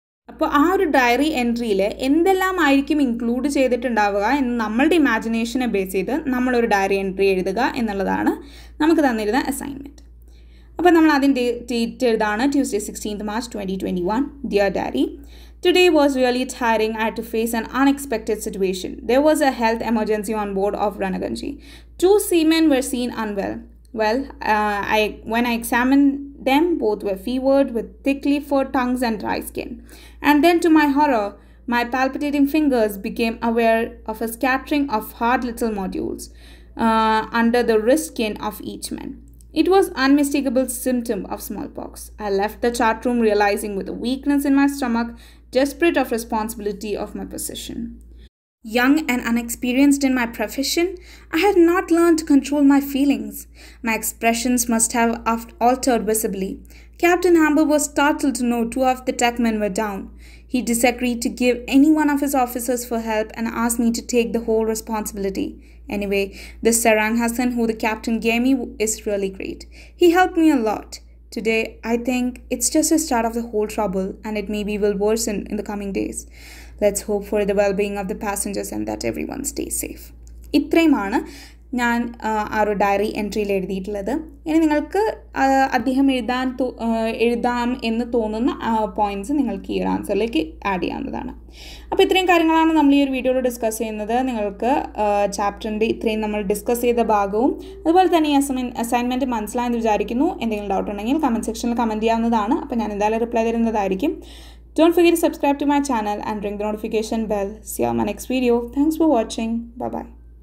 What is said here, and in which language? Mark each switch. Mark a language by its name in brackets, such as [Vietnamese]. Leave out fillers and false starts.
[Malayalam] അപ്പോൾ ആ ഒരു ഡയറി എൻട്രിയിൽ എന്തെല്ലാം ആയിരിക്കും ഇൻക്ലൂഡ് ചെയ്തിട്ടുണ്ടാവുക എന്ന് നമ്മളുടെ ഇമാജിനേഷനെ ബേസ് ചെയ്ത് നമ്മളൊരു ഡയറി എൻട്രി എഴുതുക എന്നുള്ളതാണ് നമുക്ക് തന്നിരുന്ന അസൈൻമെൻറ്റ്. അപ്പോൾ നമ്മൾ അതിൻ്റെ date എഴുതാണ്, Tuesday 16th March 2021. [English] Dear diary, today was really tiring. I had to face an unexpected situation. There was a health emergency on board of റണഗഞ്ചി. Two seamen were seen unwell. Well, when I examine them both were fevered with thickly furred tongues and dry skin, and then to my horror my palpitating fingers became aware of a scattering of hard little modules under the wrist skin of each man. It was unmistakable symptom of smallpox. I left the chart room realizing with a weakness in my stomach, desperate of responsibility of my position. Young and unexperienced in my profession, I had not learned to control my feelings. My expressions must have altered visibly. Captain Hamble was startled to know two of the tech men were down. He disagreed to give any one of his officers for help and asked me to take the whole responsibility. Anyway, this Sarang Hassan who the captain gave me is really great. He helped me a lot. Today, I think it's just the start of the whole trouble and it maybe will worsen in the coming days. Let's hope for the well-being of the passengers and that everyone stays safe. [Malayalam] ഇത്രയുമാണ് ഞാൻ ആ ഒരു diary എൻട്രിയിൽ എഴുതിയിട്ടുള്ളത്. ഇനി നിങ്ങൾക്ക് അദ്ദേഹം എഴുതാം എന്ന് തോന്നുന്ന പോയിൻറ്റ്സ് നിങ്ങൾക്ക് ഈ ഒരു ആൻസറിലേക്ക് ആഡ് ചെയ്യാവുന്നതാണ്. അപ്പോൾ ഇത്രയും കാര്യങ്ങളാണ് നമ്മൾ ഈ ഒരു വീഡിയോയിൽ ഡിസ്കസ് ചെയ്യുന്നത്. നിങ്ങൾക്ക് ചാപ്റ്ററിൻ്റെ ഇത്രയും നമ്മൾ ഡിസ്കസ് ചെയ്ത ഭാഗവും അതുപോലെ തന്നെ ഈ അസൈൻമെൻറ്റ് മനസ്സിലായെന്ന് വിചാരിക്കുന്നു. എന്തെങ്കിലും ഡൗട്ട് ഉണ്ടെങ്കിൽ കമൻറ്റ് സെക്ഷനിൽ കമൻറ്റ് ചെയ്യാവുന്നതാണ്. അപ്പോൾ ഞാൻ എന്തായാലും റിപ്ലൈ തരുന്നതായിരിക്കും. [English] Don't forget to subscribe to my channel and ring the notification bell. See you on my next video. Thanks for watching. Bye-bye.